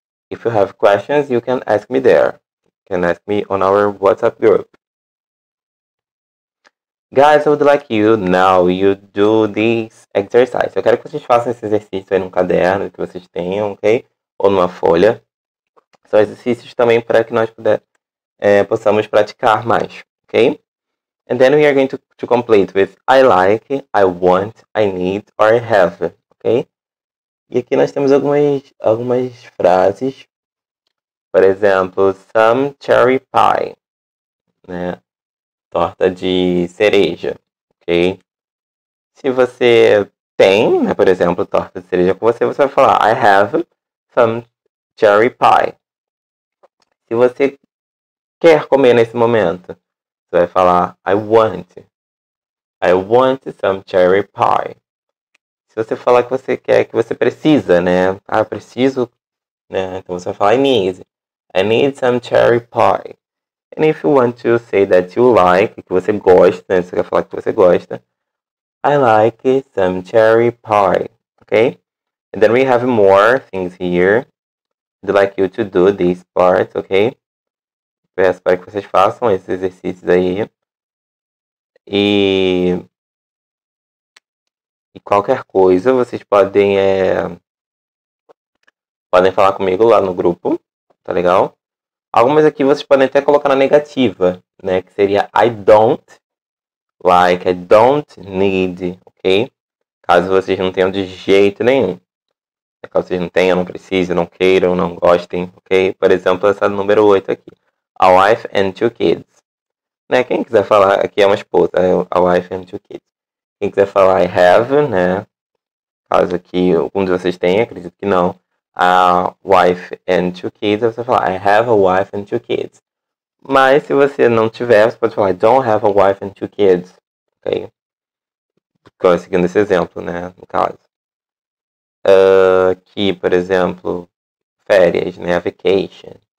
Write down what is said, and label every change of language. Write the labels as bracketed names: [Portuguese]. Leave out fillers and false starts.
[English] If you have questions, you can ask me there. You can ask me on our WhatsApp group. Guys, I would like you now, you do this exercise. [Portuguese] Eu quero que vocês façam esse exercício aí num caderno que vocês tenham, ok? Ou numa folha. São exercícios também para que nós possamos praticar mais, ok? [English] And then we are going to complete with I like, I want, I need, or I have, ok? [Portuguese] E aqui nós temos algumas frases. Por exemplo, [English] some cherry pie, [Portuguese] né? Torta de cereja, ok? Se você tem, né, por exemplo, torta de cereja com você, você vai falar [English] I have some cherry pie. [Portuguese] Se você quer comer nesse momento, você vai falar [English] I want some cherry pie. [Portuguese] Se você falar que você quer, que você precisa, né? Ah, preciso, né? Então você vai falar [English] I need some cherry pie. And if you want to say that you like, [Portuguese] que você gosta, você quer falar que você gosta. [English] I like some cherry pie, okay? And then we have more things here. I'd like you to do these parts, okay? [Portuguese] Peço para que vocês façam esses exercícios aí. E qualquer coisa, vocês podem falar comigo lá no grupo, tá legal? Algumas aqui vocês podem até colocar na negativa, né? Que seria [English] I don't like, I don't need, [Portuguese] ok? Caso vocês não tenham de jeito nenhum. Caso vocês não tenham, não precisem, não queiram, não gostem, ok? Por exemplo, essa número 8 aqui. [English] A wife and two kids. [Portuguese] Né? Quem quiser falar, aqui é uma esposa, [English] a wife and two kids. [Portuguese] Quem quiser falar [English] I have, [Portuguese] né? Caso aqui algum de vocês tenha, acredito que não. [English] A wife and two kids, [Portuguese] você fala, [English] I have a wife and two kids. [Portuguese] Mas se você não tiver, você pode falar, [English] I don't have a wife and two kids. [Portuguese] Ok? Seguindo esse exemplo, né? No caso. Aqui, por exemplo, férias, né? [English] A vacation.